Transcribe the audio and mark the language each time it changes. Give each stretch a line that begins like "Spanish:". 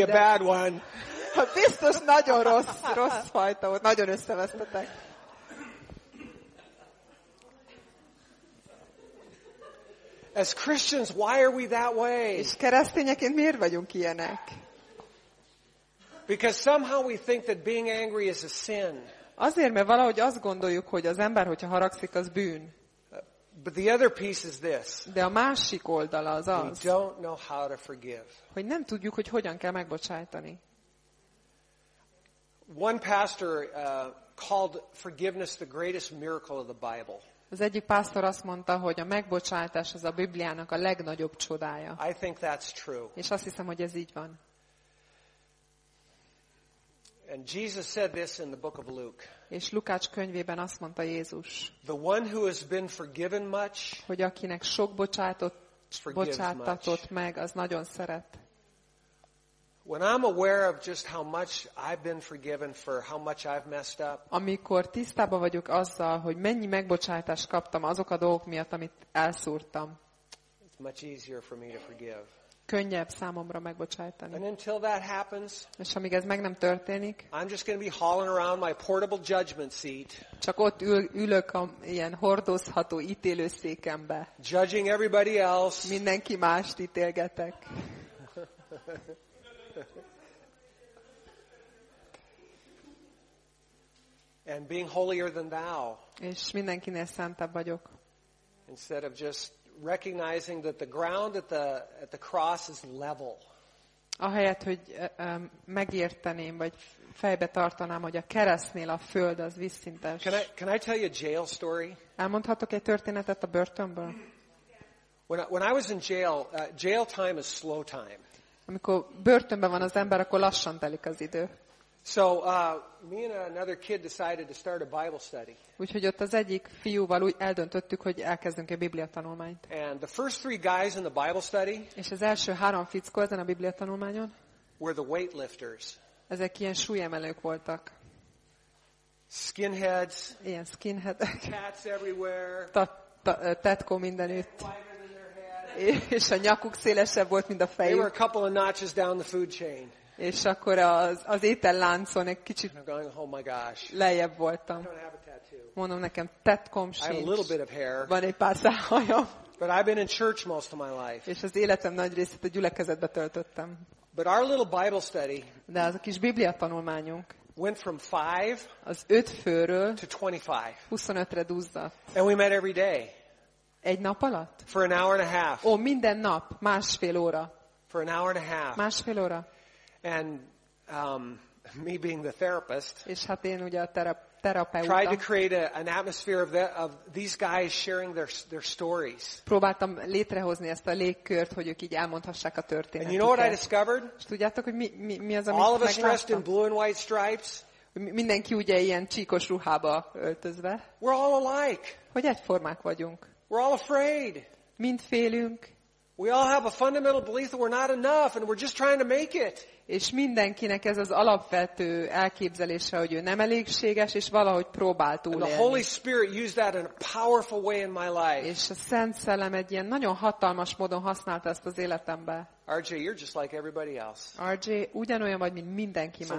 English: Must be a bad one.
Hungarian: biztos nagyon rossz fajta, ott nagyon összevesztetek.
English: As Christians, why are we that way?
Hungarian: És keresztényeként miért vagyunk ilyenek?
English: Because somehow we think that being angry is a sin.
Hungarian: Azért, mert valahogy azt gondoljuk, hogy az ember, hogyha haragszik, az bűn.
English: But the other piece is this.
Hungarian: De a másik oldala az az.
English: We don't know how to forgive.
Hungarian: Hogy nem tudjuk, hogy hogyan kell megbocsájtani.
English: One pastor called forgiveness the greatest miracle of the Bible.
Hungarian: Az egyik pásztor azt mondta, hogy a megbocsátás az a Bibliának a legnagyobb csodája.
English: I think that's true.
Hungarian: És azt hiszem, hogy ez így van.
English: And Jesus said this in the book of Luke.
Hungarian: És Lukács könyvében azt mondta Jézus.
English: The one who has been forgiven much,
Hungarian: hogy akinek sok bocsátatott meg, az nagyon szeret.
English: When I'm aware of just how much I've been forgiven for how much I've messed up.
Hungarian: Amikor tisztában vagyok azzal, hogy mennyi megbocsátást kaptam azok a dolgok miatt, amit elszúrtam.
English: It's much easier for me to forgive.
Hungarian: Könnyebb számomra megbocsájtani.
English: And until that happens,
Hungarian: és amíg ez meg nem történik,
English: I'm just going to be hauling around my portable judgment seat.
Hungarian: Csak ott ülök a ilyen hordozható ítélőszékembe.
English: Judging everybody else.
Hungarian: Mindenki mást ítélgetek.
English: And being holier than thou.
Hungarian: És mindenkinél szentebb vagyok.
English: Instead of just recognizing that the ground at the cross is level.
Hungarian: Ahelyett, hogy megérteném, vagy fejbe tartanám, hogy a keresztnél a föld az vízszintes.
English: Can I tell you a jail story?
Hungarian: Elmondhatok egy történetet a börtönből?
English: When I was in jail, jail time is slow time.
Hungarian: Amikor börtönben van az ember, akkor lassan telik az idő.
English: So, me and another kid decided to start a Bible study.
Hungarian: Úgyhogy ott az egyik fiúval úgy eldöntöttük, hogy elkezdünk egy Biblia tanulmányt.
English: And the first three guys in the Bible study.
Hungarian: És az első három fickó ezen a Biblia tanulmányon.
English: Were the weightlifters.
Hungarian: Ezek ilyen súlyemelők voltak.
English: Skinheads.
Hungarian: Ilyen skinheadek.
English: Cats everywhere.
Hungarian: Tetkó mindenütt. És a nyakuk szélesebb volt, mint a fejük.
English: They were a couple of notches down the food chain.
Hungarian: És akkor az ételláncon egy kicsit lejjebb voltam. Mondom, nekem tetkom sincs. Van egy pár szálhajom.
English: But I've been in church most of my life.
Hungarian: És az életem nagy részét a gyülekezetbe töltöttem.
English: But our little Bible study,
Hungarian: de az a kis Biblia tanulmányunk
English: went from five
Hungarian: az öt főről
English: to 25.
Hungarian: 25-re duzzadt.
English: And we met every day.
Hungarian: Egy nap alatt?
English: For an hour and a half.
Hungarian: Ó, minden nap, másfél óra.
English: For an hour and a half.
Hungarian: Másfél óra.
English: And me being the therapist,
Hungarian: és hát én ugye a terapeuta,
English: tried to create an atmosphere of these guys sharing their stories.
Hungarian: Próbáltam létrehozni ezt a légkört, hogy ők így elmondhassák a történetüket.
English: And you know what I discovered?
Hungarian: És tudjátok, hogy mi az, amit
English: all of us dressed in blue and white stripes.
Hungarian: Mindenki ugye ilyen csíkos ruhába öltözve.
English: We're all alike.
Hungarian: Hogy egyformák vagyunk.
English: We're all afraid.
Hungarian: Mind félünk.
English: We all have a fundamental belief that we're not enough and we're just trying to make it.
Hungarian: És mindenkinek ez az alapvető elképzelése, hogy ő nem elégséges, és valahogy próbál túlélni.
English: The Holy Spirit used that in a powerful way in my life.
Hungarian: És a Szent Szellem egy ilyen nagyon hatalmas módon használta ezt az életembe.
English: RJ, you're just like everybody else.
Hungarian: RJ, ugyanolyan vagy, mint mindenki más.